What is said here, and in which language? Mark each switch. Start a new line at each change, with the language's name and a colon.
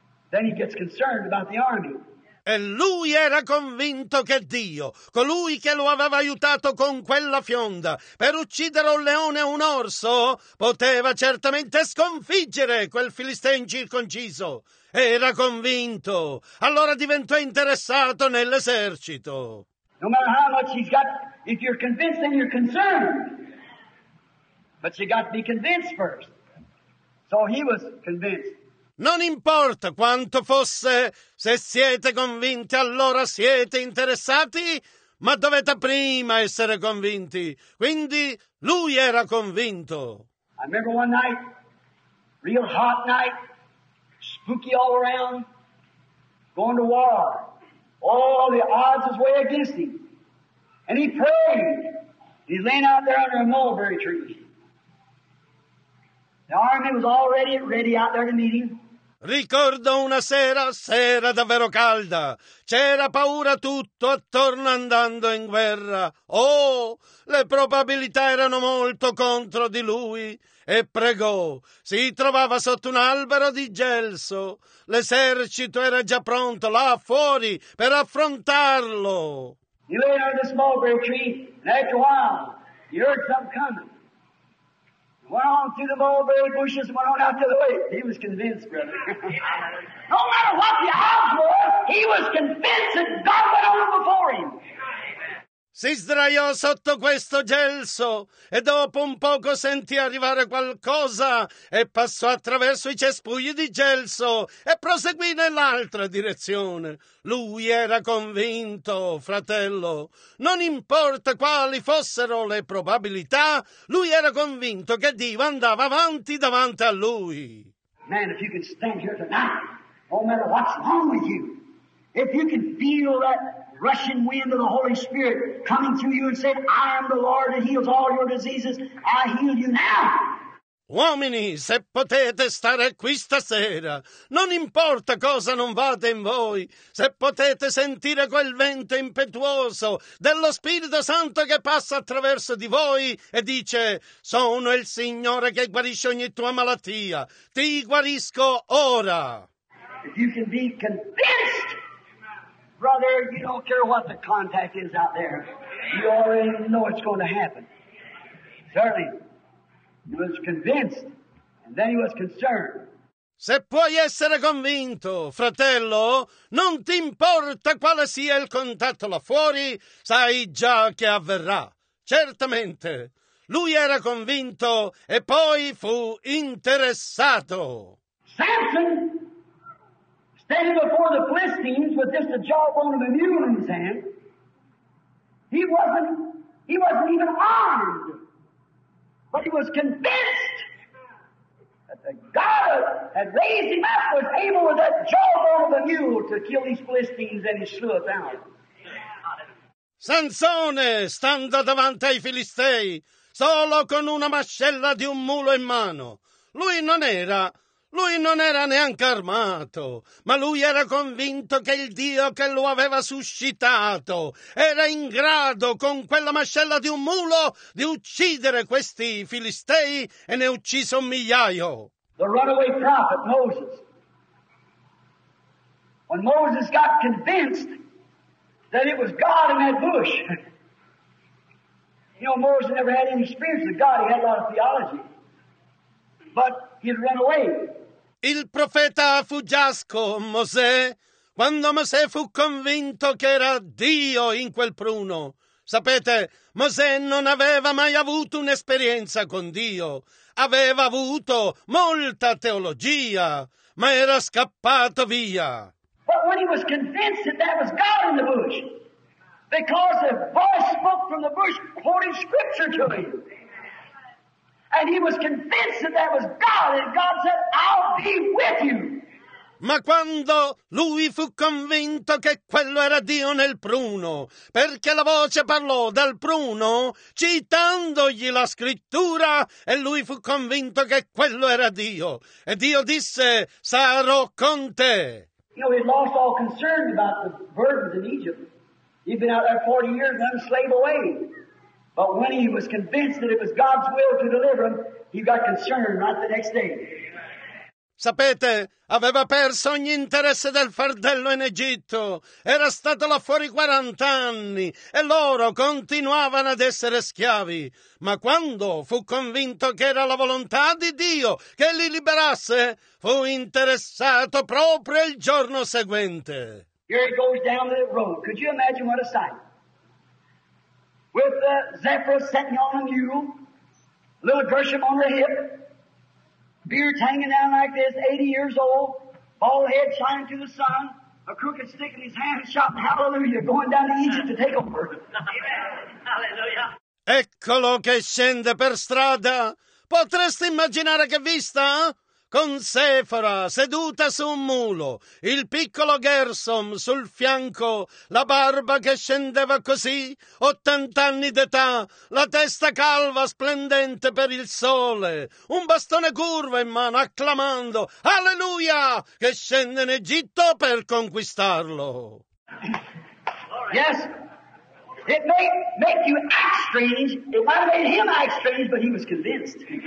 English: Then he gets concerned about the army.
Italian: E lui era convinto che Dio, colui che lo aveva aiutato con quella fionda per uccidere un leone e un orso, poteva certamente sconfiggere quel filisteo incirconciso. Era convinto. Allora diventò interessato nell'esercito.
English: No matter how much he's got, if you're convinced, then you're concerned. But you got to be convinced first. So he was convinced.
Italian: Non importa quanto fosse, se siete convinti allora siete interessati, ma dovete prima essere convinti. Quindi lui era convinto.
English: I remember one night, real hot night, spooky all around, going to war. All the odds was way against him. And he prayed. He's laying out there under a mulberry tree. The army was already ready out there to meet him.
Italian: Ricordo una sera, sera davvero calda, c'era paura tutto attorno andando in guerra. Oh, le probabilità erano molto contro di lui. E pregò, si trovava sotto un albero di gelso. L'esercito era già pronto là fuori per affrontarlo.
English: He lay under the small gray tree, and after a while, he heard something coming. Went on through the mulberry bushes and went on out to the way. He was convinced, brother. No matter what the odds were, he was convinced that God went on before him.
Italian: si sdraiò sotto questo gelso e dopo un poco sentì arrivare qualcosa e passò attraverso i cespugli di gelso e proseguì nell'altra direzione. Lui era convinto, fratello, non importa quali fossero le probabilità, lui era convinto che Dio andava avanti davanti a lui.
English: Man, if you can stand here tonight, no matter what's wrong with you, if you can feel that rushing wind of the Holy Spirit coming through you and said, I am the Lord who heals all your diseases, I heal you now.
Italian: Uomini, se potete stare qui stasera, non importa cosa non vada in voi, se potete sentire quel vento impetuoso dello Spirito Santo che passa attraverso di voi e dice, sono il Signore che guarisce ogni tua malattia, ti guarisco ora.
English: If you can be convinced, brother, you don't care what the contact is out there. You already know it's going to happen. Certainly. He was convinced, and then he was concerned.
Italian: Se puoi essere convinto, fratello, non ti importa quale sia il contatto là fuori, sai già che avverrà. Certamente, lui era convinto e poi fu interessato.
English: Samson, standing before the Philistines with just the jawbone of a mule in his hand, he wasn't even armed. But he was convinced that the God had raised him up, was able with that jawbone of a mule to kill these Philistines, and he slew a thousand.
Italian: Sansone, stando davanti ai Filistei, solo con una mascella di un mulo in mano, lui non era neanche armato, ma lui era convinto che il Dio che lo aveva suscitato era in grado, con quella mascella di un mulo, di uccidere questi Filistei e ne ucciso un migliaio.
English: The runaway prophet Moses. When Moses got convinced that it was God in that bush. You know, Moses never had any experience with God. He had a lot of theology. But he'd run away.
Italian: Il profeta fuggiasco, Mosè, quando Mosè fu convinto che era Dio in quel pruno. Sapete, Mosè non aveva mai avuto un'esperienza con Dio. Aveva avuto molta teologia, ma era scappato via.
English: But when he was convinced that that was God in the bush, because a voice spoke from the bush quoting scripture to him. And he was convinced that that was God, and God said, I'll be with you.
Italian: Ma quando lui fu convinto che quello era Dio nel pruno, perché la voce parlò dal pruno, citandogli la scrittura, e lui fu convinto che quello era Dio. E Dio disse, sarò con te.
English: You know, he lost all concern about the burdens in Egypt. He'd been out there 40 years and a slave away. But when he was convinced that it was God's will to deliver him, he got concerned right the next day.
Italian: Sapete, aveva perso ogni interesse del fardello in Egitto. Era stato là fuori 40 anni e loro continuavano ad essere schiavi. Ma quando fu convinto che era la volontà di Dio che li liberasse, fu interessato proprio il giorno seguente.
English: Here he goes down the road. Could you imagine what a sight? With the Zephyr sitting on a mule, little Gershom on the hip, beards hanging down like this, 80 years old, bald head shining through the sun, a crooked stick in his hand, shouting hallelujah, going down to Egypt to take over. Amen. Hallelujah.
Italian: Eccolo che scende per strada. Potresti immaginare che vista? Con Sefora seduta su un mulo, il piccolo Gershom sul fianco, la barba che scendeva così, 80 anni d'età, la testa calva splendente per il sole, un bastone curvo in mano acclamando, alleluia, che scende in Egitto per conquistarlo.
English: Yes, it may make you act strange, it might have made him act strange, but he was convinced.